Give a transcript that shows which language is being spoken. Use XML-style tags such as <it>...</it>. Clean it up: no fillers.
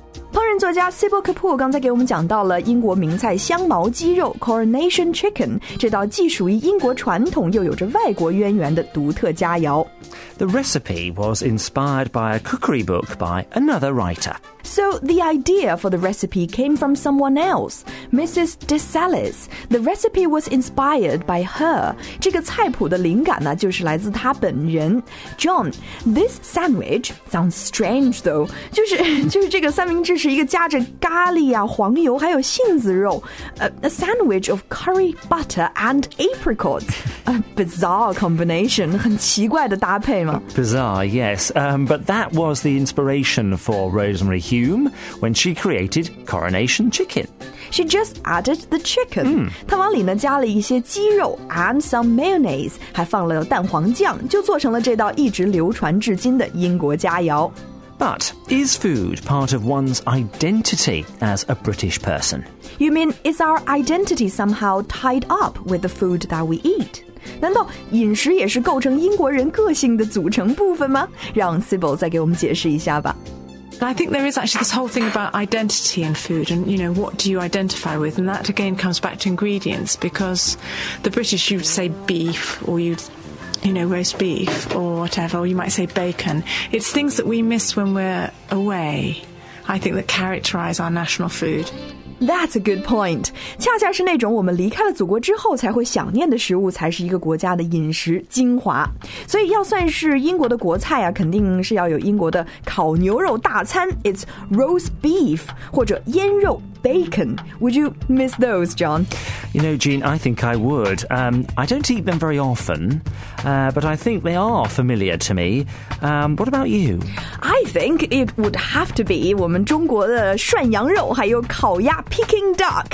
<zh>烹饪作家 Sybil Kapur 刚才给我们讲到了英国名菜香茅鸡肉 Coronation Chicken， 这道既属于英国传统又有着外国渊源的独特佳肴。</zh> <en>The recipe was inspired by a cookery book by another writer. So the idea for the recipe came from someone else, Mrs. DeSalis. The recipe was inspired by her.</en> <zh>这个菜谱的灵感呢，就是来自她本人。</zh> <en>John, this sandwich sounds strange though.</en> <zh>就是这个三明治是一个夹着咖喱啊、黄油还有杏子肉 ，</zh> <en>a sandwich of curry butter and apricots. A bizarre combination,</en> <zh>很奇怪的搭配吗</zh> <en>？Bizarre, yes. But that was the inspiration for Rosemary Hume when she created Coronation Chicken. She just added the chicken.</en> <zh>她往里呢加了一些鸡肉</zh> <en>and some mayonnaise，</en> <zh>还放了蛋黄酱，就做成了这道一直流传至今的英国佳肴。</zh> <en>But is food part of one's identity as a British person? You mean, is our identity somehow tied up with the food that we eat?</en> <zh>难道饮食也是构成英国人个性的组成部分吗？让 Sybil 再给我们解释一下吧。</zh> <en>I think there is actually this whole thing about identity in food and, you know, what do you identify with? And that, again, comes back to ingredients because the British, you'd say beef or you'd... You know, roast beef or whatever, or you might say bacon. It's things that we miss when we're away, I think, that characterize our national food. That's a good point.</en> <zh>恰恰是那种我们离开了祖国之后才会想念的食物才是一个国家的饮食精华。所以要算是英国的国菜啊，肯定是要有英国的烤牛肉大餐</zh> <en>It's roast beef</en> <zh>或者腌肉 bacon.</zh> <en>Would you miss those, John? You know, Jean, I think I would. I don't eat them very often, but I think they are familiar to me. What about you? I think it would have to be</en> <zh>我们中国的涮羊肉还有烤鸭</zh> <en>Peking duck.、</en>